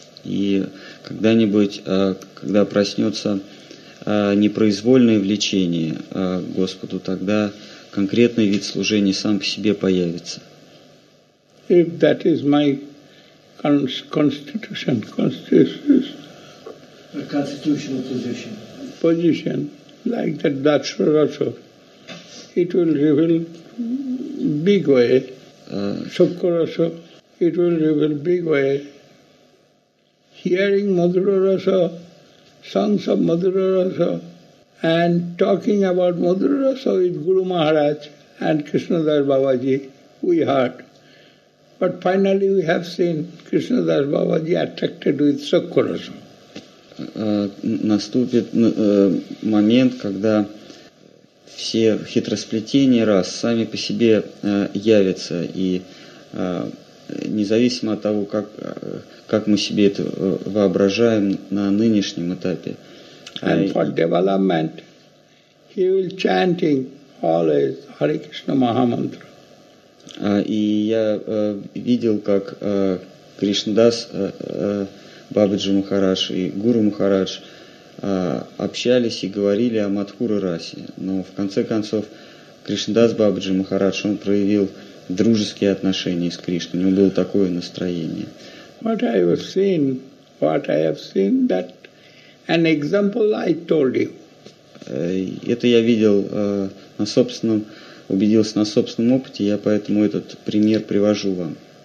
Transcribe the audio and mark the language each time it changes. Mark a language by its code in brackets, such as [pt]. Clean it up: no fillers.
[ru] И когда-нибудь, когда проснется непроизвольное влечение к Господу, тогда конкретный вид служения сам по себе появится. [en] If that is my constitutional position, like that Dasya Rasa, it will reveal big way. Sukha Rasa, it will reveal big way. Hearing Madhura Rasa, songs of Madhura Rasa, and talking about Madhura Rasa with Guru Maharaj and Krishnadas Babaji, we heard. But finally we have seen Krishnadas Babaji attracted with Sukha Rasa. [ru] Наступит момент, когда все хитросплетения рас сами по себе явятся, и независимо от того, как мы себе это воображаем на нынешнем этапе. [en] And for development, he will chanting always Hare Krishna Mahamantra. [ru] И я видел, как Кришнадас Бабаджи Махарадж и Гуру Махарадж общались и говорили о Мадхура расе. Но в конце концов Кришнадас Бабаджи Махарадж, он проявил дружеские отношения с Кришной. У него было такое настроение. [en] What I have seen what I have seen, that an example I told you. [ru] Это я видел на собственном, убедился на собственном опыте, я поэтому этот пример привожу вам.